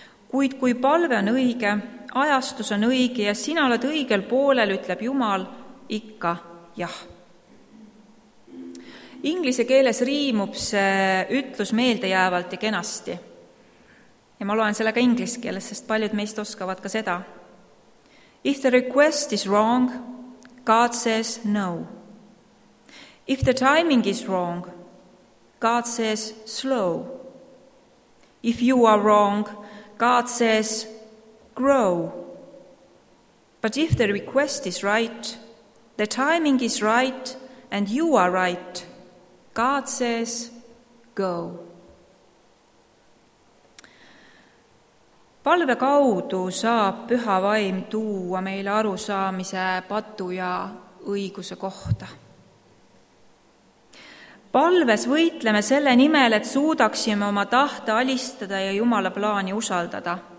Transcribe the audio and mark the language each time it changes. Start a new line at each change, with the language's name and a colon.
Estonian: Kuid kui palve on õige, ajastus on õige ja sina oled õigel poolel, ütleb Jumal ikka jah. Inglise keeles riimub see ütlus meeldejäävalt ja kenasti. Ja ma loen selle ka ingliskeeles, sest paljud meist oskavad ka seda.
English: If the request is wrong, God says no. If the timing is wrong, God says slow. If you are wrong, God says grow. But if the request is right, the timing is right and you are right, God says go.
Estonian: Palve kaudu saab püha vaim tuua meile arusaamise patu ja õiguse kohta. Palves võitleme selle nimel, et suudaksime oma tahte alistada ja Jumala plaani usaldada.